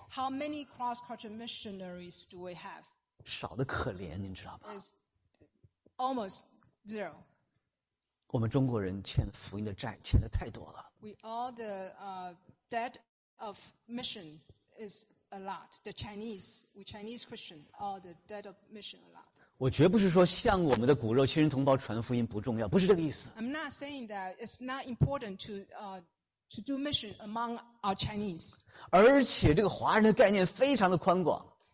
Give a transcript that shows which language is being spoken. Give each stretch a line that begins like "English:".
English: How many cross-cultural missionaries do we have?
Chinese: 少得可怜，您知道吧？
English: It's almost zero.
Chinese: 我们中国人欠福音的债欠得太多了。
English: We all the debt of mission is a lot. The Chinese, we Chinese Christians, all the debt of mission a lot.
Chinese: 我绝不是说向我们的骨肉亲人同胞传福音不重要，不是这个意思。
English: I'm not saying that it's not important to do mission among our Chinese.
Chinese: 而且这个华人的概念非常的宽广。